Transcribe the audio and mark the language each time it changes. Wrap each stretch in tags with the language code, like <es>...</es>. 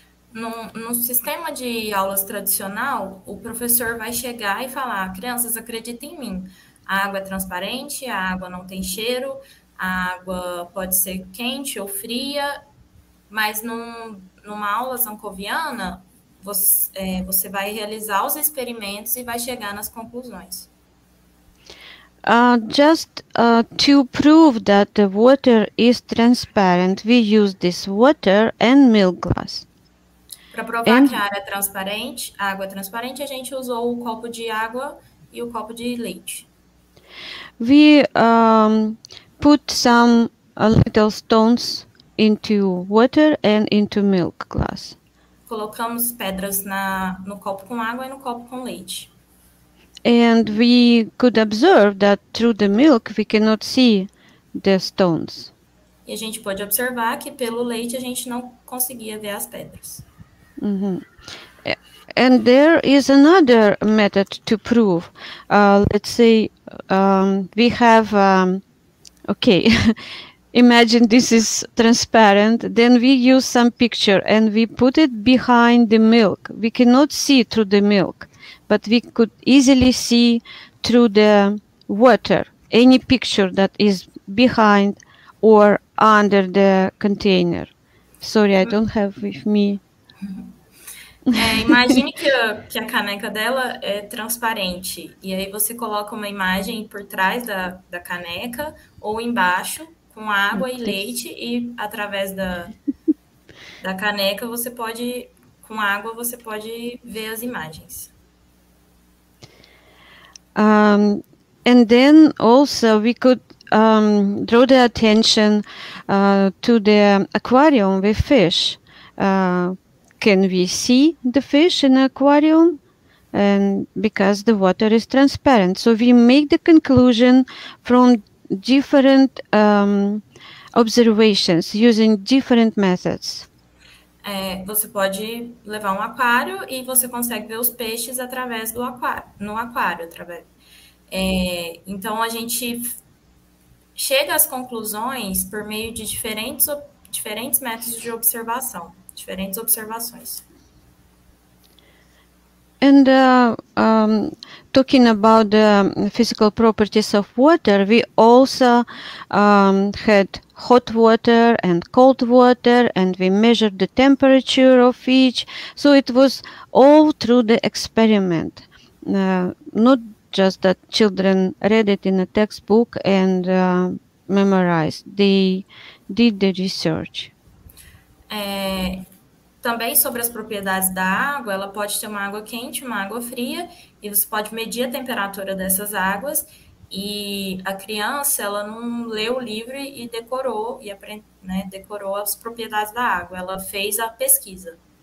<pt>No sistema de aulas tradicional, o professor vai chegar e falar, crianças, acreditem em mim, a água é transparente, a água não tem cheiro, a água pode ser quente ou fria, mas numa aula zankoviana, você vai realizar os experimentos e vai chegar nas conclusões.</pt> <en>Just to prove that the water is transparent, we use this water and milk glass.</en> <pt>Para provar que a área é transparente, a água é transparente, a gente usou o copo de água e o copo de leite.</pt> <en>We put some little stones into water and into milk glass.</en> <pt>Colocamos pedras no copo com água e no copo com leite.</pt> <en>And we could observe that through the milk we cannot see the stones.</en> <pt>E a gente pode observar que pelo leite a gente não conseguia ver as pedras.</pt> <en>Mm-hmm. And there is another method to prove. Let's say we have, okay, imagine this is transparent, then we use some picture and we put it behind the milk. We cannot see through the milk, but we could easily see through the water any picture that is behind or under the container. Sorry, I don't have with me.</en> <pt>Imagine que a caneca dela é transparente e aí você coloca uma imagem por trás da caneca ou embaixo com água e leite e através da caneca você pode, com água você pode ver as imagens.</pt> <en>And then also we could draw the attention to the aquarium with fish. Can we see the fish in the aquarium? And because the water is transparent. So we make the conclusion from different observations using different methods.</en> <pt>É, você pode levar um aquário e você consegue ver os peixes através do aquário, no aquário. Através. É, então, a gente chega às conclusões por meio de diferentes métodos de observação, diferentes observações.</pt> <en>And talking about the physical properties of water, we also had hot water and cold water, and we measured the temperature of each. So it was all through the experiment, not just that children read it in a textbook and memorized. They did the research.</en> <pt>Também sobre as propriedades da água, ela pode ter uma água quente, uma água fria, e você pode medir a temperatura dessas águas, e a criança, ela não leu o livro e decorou, decorou as propriedades da água, ela fez a pesquisa.</pt>